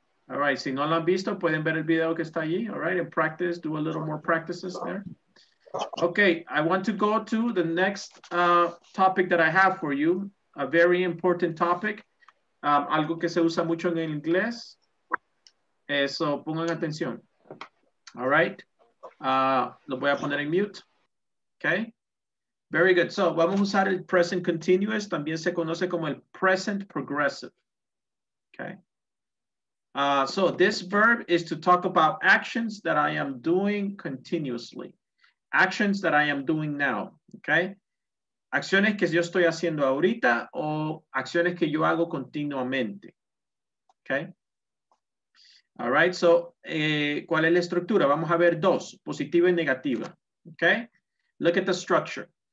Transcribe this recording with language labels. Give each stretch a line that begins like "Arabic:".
Spanish: All right, si no lo han visto, pueden ver el video que está allí, all right?
English: And practice, do a little more practices there. Okay, I want to go to the next topic that I have for you, a very important topic.
Spanish: Algo que se usa mucho en el inglés. Eso, pongan atención. All right. Lo voy a poner en mute. Okay. Very good. So, vamos a usar el present continuous. También se conoce como el present progressive. Okay.
English: So, this verb is to talk about actions that I am doing continuously. Actions that I am doing now. Okay.
Spanish: Acciones que yo estoy haciendo ahorita o acciones que yo hago continuamente. Okay. All right. So, ¿cuál es la estructura? Vamos a ver dos, positiva y negativa. Okay. Look at the structure.